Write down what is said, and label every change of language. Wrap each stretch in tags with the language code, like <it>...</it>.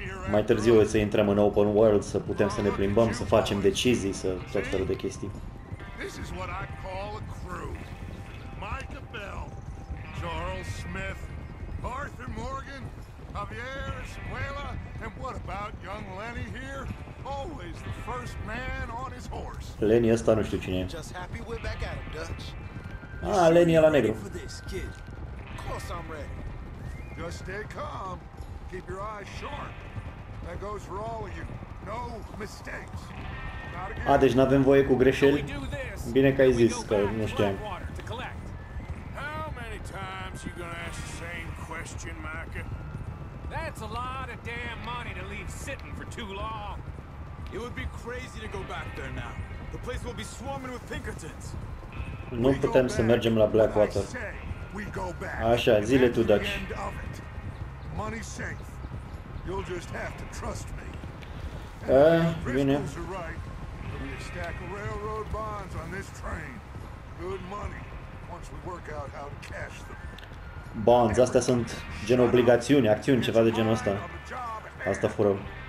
<ro>Mai târziu o să intrăm în open world, să putem să ne plimbăm, să facem decizii, să tot felul de chestii.</ro> <en>This is what I call a crew. Micah Bell, Charles Smith, Arthur Morgan, Javier Escuela, and what about young Lenny here? Always the first man on his horse.</en> <ro>Lenny, asta nu știu cine e.</ro> <en>Just happy we're back at him, Dutch.</en> <ro>Ah, Lenny ăla negru.</ro> <en>For this, kid. Of course I'm ready. Just stay calm. Keep your eyes sharp. That goes for all of you. No mistakes.</en> <ro>A, deci n-avem voie cu greșeli? Bine că ai zis că nu știam.</ro> <en>How many times you gonna ask the same question, Micah? That's a lot of damn money to leave sitting for too long. It would be crazy to go back there now. The place will be swarming with Pinkertons.</en> <ro>Nu putem să mergem la Blackwater. Așa, zile tu, Dutch.</ro> <en>Money safe. You'll just have to trust me.</en> <ro>Bine.</ro> <en>Stack railroad bonds on this train. Good money. Once we work out how to cash them.</en> <ro>Bonds, astea sunt gen obligațiuni, acțiuni, ceva de genul ăsta. Asta furăm.</ro>